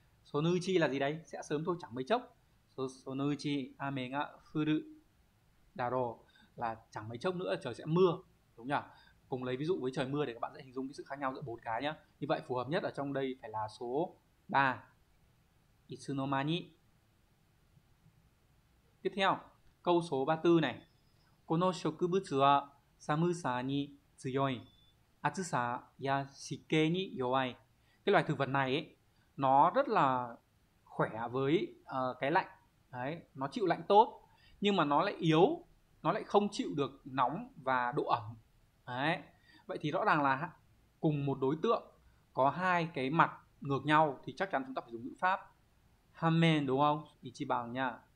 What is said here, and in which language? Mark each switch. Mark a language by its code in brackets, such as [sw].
[vi] Sonuchi là gì đấy, sẽ sớm thôi, chẳng mấy chốc. [ja] Sonuchi ame ga furu daro [vi] là chẳng mấy chốc nữa trời sẽ mưa đúng nhỉ. Cùng lấy ví dụ với trời mưa để các bạn dễ hình dung cái sự khác nhau giữa bốn cái nhá. Như vậy phù hợp nhất ở trong đây phải là số 3, itsunomani. Tiếp theo câu số 34 này, [ja] この植物は寒さに強い、暑さや湿気に弱い。 [vi] Cái loài thực vật này ấy, nó rất là khỏe với cái lạnh. Đấy, nó chịu lạnh tốt nhưng mà nó lại yếu, nó lại không chịu được nóng và độ ẩm. Đấy. Vậy thì rõ ràng là cùng một đối tượng có hai cái mặt ngược nhau thì chắc chắn chúng ta phải dùng ngữ pháp hamen đúng không? Ichiban nha.